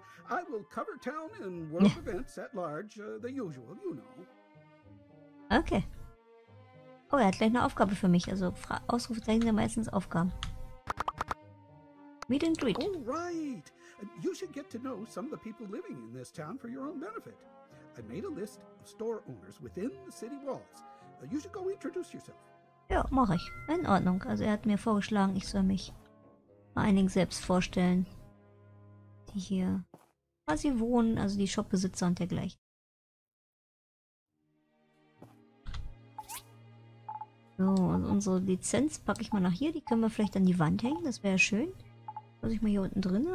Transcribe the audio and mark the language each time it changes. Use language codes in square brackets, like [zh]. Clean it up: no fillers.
[en] I will cover town and world events at large, the usual, you know. Okay. [de] Oh, er hat gleich eine Aufgabe für mich. Also Ausrufezeichen sind meistens Aufgaben. [en] Meet and greet. All right. You should get to know some of the people living in this town for your own benefit. I made a list of store owners within the city walls. You should go introduce yourself. [de] Ja, mache ich. In Ordnung. Also er hat mir vorgeschlagen, ich soll mich mal einigen selbst vorstellen, die hier quasi wohnen, also die Shopbesitzer und dergleichen. So, und unsere Lizenz packe ich mal nach hier. Die können wir vielleicht an die Wand hängen, das wäre ja schön. Muss ich mal hier unten drin.